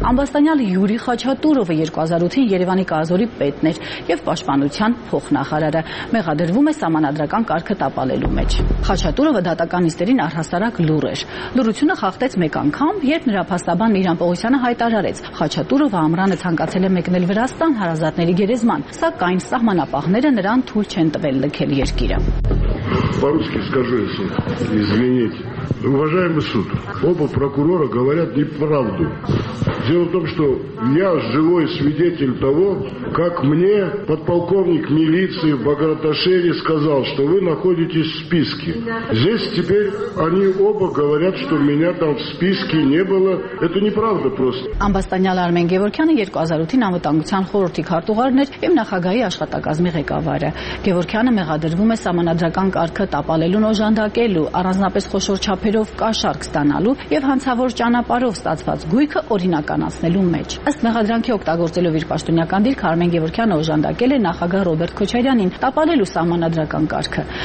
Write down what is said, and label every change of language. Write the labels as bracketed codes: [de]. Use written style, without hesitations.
[hy] Անբաստանյալ Յուրի Խաչատուրովը 2008-ին Երևանի կազորի պետներ եւ պաշտպանության փոխնախարարը մեղադրվում է սահմանադրական կարգը տապալելու մեջ։ Խաչատուրովը դատականիստերին առհասարակ լուր էր։ Լուրությունը խախտեց մեկ անգամ, երբ նրա փաստաբան Միրան Պողոսյանը հայտարարեց. Խաչատուրովը ամրանը ցանկացել է մեկնել Վրաստան հարազատների գերեզման, սակայն սահմանապահները նրան թույլ չեն տվել լքել երկիրը։ [ru] По-русски скажу, если извините. Уважаемый суд, оба прокурора говорят неправду. Дело в том, что я живой свидетель того, как мне подполковник милиции в Багратошери сказал, что вы находитесь в списке. Здесь теперь они оба говорят, что меня там в списке не было. Это неправда просто. [hy] Անբաստանյալ Արմեն Գևորգյանը 2008-ին անվտանգության խորհրդի քարտուղարն էր եւ նախագահի աշխատակազմի ղեկավարը։ Գևորգյանը մեղադրվում է սահմանադրական կարգը տապալելու նոժանդակելու, առանձնապես խոշոր չափերով կաշառք ստանալու եւ հանցավոր ճանապարհով ստացված գույքը օրինականացնելու մեջ։ Ըստ մեղադրանքի օգտագործելով իր պաշտոնական դիրքը Արմեն Գևորգյանը օժանդակել է նախագահ Ռոբերտ Քոչարյանին տապալելու սահմանադրական կարգը։